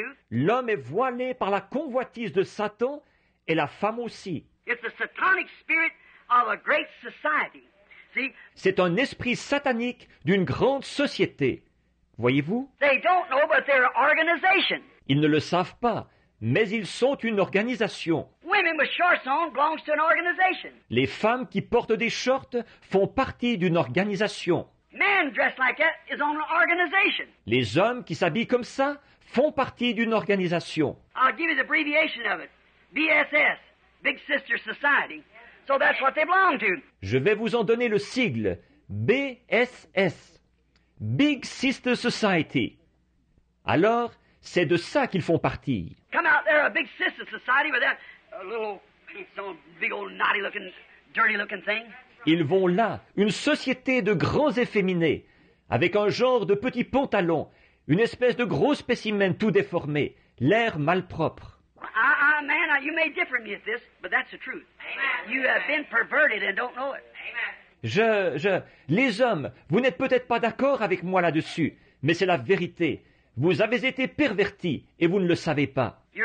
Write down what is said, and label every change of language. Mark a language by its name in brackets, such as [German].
[French] L'homme est voilé par la convoitise de Satan et la femme aussi. [English] It's a satanic spirit of a great society. See? [French] C'est un esprit satanique d'une grande société. Voyez-vous? [English] They don't know, but they're an organization. [French] Ils ne le savent pas. Mais ils sont une organisation. [English] Women with shorts on belongs to an organization. [French] Les femmes qui portent des shorts font partie d'une organisation. [English] Men dressed like that is on an organization. [French] Les hommes qui s'habillent comme ça font partie d'une organisation. [English] I'll give you the abbreviation of it. BSS, Big Sister Society. So that's what they belong to. [French] Je vais vous en donner le sigle. BSS, Big Sister Society. Alors, c'est de ça qu'ils font partie. [English] Come out there, a big sister society with that little, some big old naughty looking, dirty looking thing. [French] Ils vont là, une société de grands efféminés, avec un genre de petit pantalon, une espèce de gros spécimen tout déformé, l'air malpropre. [English] You may differ from me at this, but that's the truth. Amen. You have been perverted and don't know it. Amen. [French] Les hommes, vous n'êtes peut-être pas d'accord avec moi là-dessus, mais c'est la vérité. Vous avez été perverti et vous ne le savez pas.